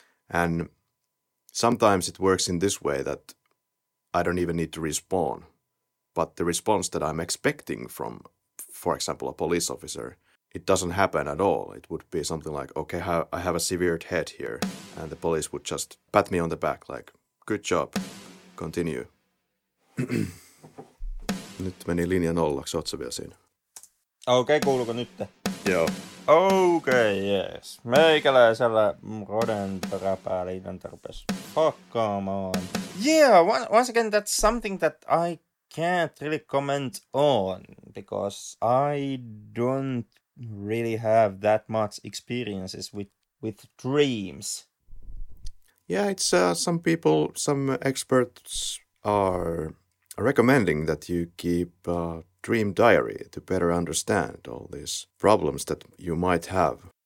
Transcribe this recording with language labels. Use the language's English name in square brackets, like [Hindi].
[English] And sometimes it works in this way that I don't even need to respawn. But the response that I'm expecting from, for example, a police officer, it doesn't happen at all. It would be something like, okay, I have a severed head here. And the police would just pat me on the back like, good job, continue. [Finnish] Nyt meni linja nollaksi, ootko vielä siinä? Okei, kuuluuko nyt? Joo. Okei, jees. Meikäläisellä Roden peräpääliitäntä rupesi hakkaamaan. [English] Yeah, once again, that's something that I can't really comment on, because I don't really have that much experiences with dreams. Yeah, it's some experts are recommending that you keep a dream diary to better understand all these problems that you might have.